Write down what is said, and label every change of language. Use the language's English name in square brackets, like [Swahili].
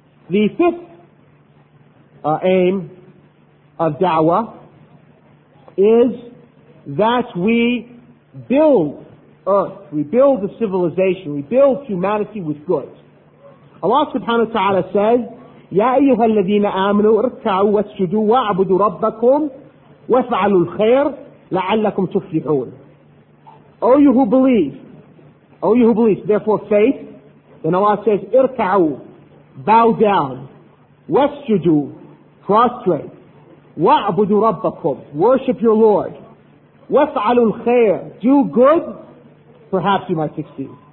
[English] The fifth aim of da'wah is that we build earth, we build the civilization, we build humanity with good. [Arabic] Allah subhanahu wa ta'ala says, يَا أَيُّهَا الَّذِينَ آمَنُوا ارْكَعُوا وَاسْجُدُوا وَاعْبُدُوا رَبَّكُمْ وَافْعَلُوا الْخَيْرَ لَعَلَّكُمْ تُفْلِحُونَ. [English] O you who believe, O you who believe, therefore faith, then Allah says, [Arabic] ارْكَعُوا, [English] bow down, [Arabic] وَاسْجُدُوا, [English] prostrate, [Arabic] وَاعْبُدُوا رَبَّكُمْ, [English] worship your Lord, [Arabic] وَفْعَلُوا الْخَيْرِ, [English] do good, perhaps you might succeed.